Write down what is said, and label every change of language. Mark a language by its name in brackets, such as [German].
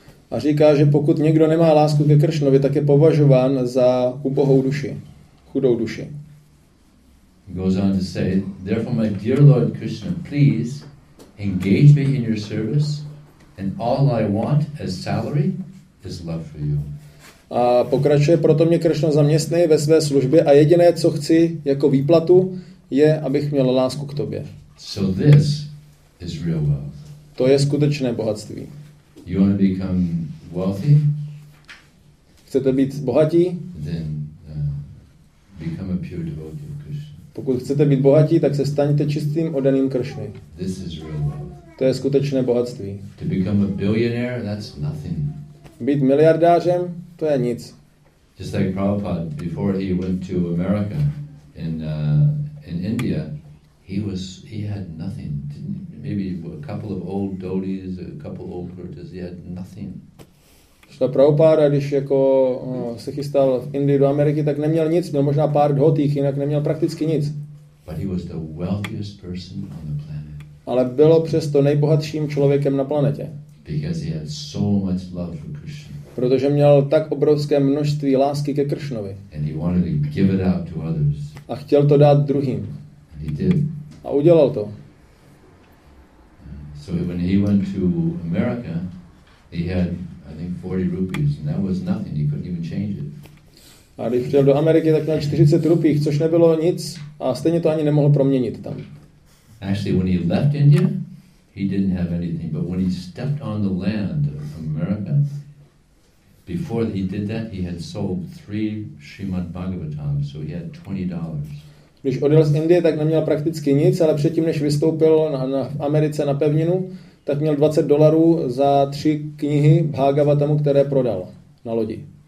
[Czech] A říká, že pokud někdo nemá lásku ke Kršnovi, tak je považován za ubohou duši, chudou duši. [English] He goes on to say, therefore my dear Lord Krishna, please engage me in your service. And all I want as salary is love for you. [Czech] A pokračuje, proto mě Krishna zaměstnej ve své službě a jediné, co chci jako výplatu, je, abych měl lásku k tobě. [English] So this is real wealth. [Czech] To je skutečné bohatství. [English] You want to become wealthy? [Czech] Chcete být bohatí? [English] Then become a pure devotee of Krishna. [Czech] Pokud chcete být bohatí, tak se staňte čistým oddaným Krishny. [English] This is real wealth. [Czech] To je skutečné bohatství. [English] To become a billionaire, that's nothing. [Czech] Být miliardářem, to je nic. [English] Just like Prabhupada, before he went to America, in India, he had nothing. Maybe a couple of old dhotis, a couple of old kurtas, he had nothing. [Czech] Šla Prabhupada, když jako se chystal v Indii do Ameriky, tak neměl nic, měl možná pár dhotých, jinak neměl prakticky nic. [English] But he was the wealthiest person on the planet. [Czech] Ale bylo přesto nejbohatším člověkem na planetě. [English] Because he had so much love for Krishna. [Czech] Protože měl tak obrovské množství lásky ke Kršnovi. [English] And he wanted to give it out to others. [Czech] A chtěl to dát druhým. [English] And he did. [Czech] A udělal to. [English] So when he went to America, he had I think 40 rupees and that was nothing. He couldn't even change it. [Czech] A když chtěl do Ameriky, tak měl 40 rupích, což nebylo nic a stejně to ani nemohl proměnit tam. [English] Actually, when he left India, he didn't have anything. But when he stepped on the land of America, before he did that, he had sold 3 Srimad Bhagavatams, so he had $20. [Czech] Když odjel z Indie, tak neměl prakticky nic, ale předtím, než vystoupil v Americe na pevninu, tak měl $20 za 3 knihy Bhagavatamu, které prodal na lodi.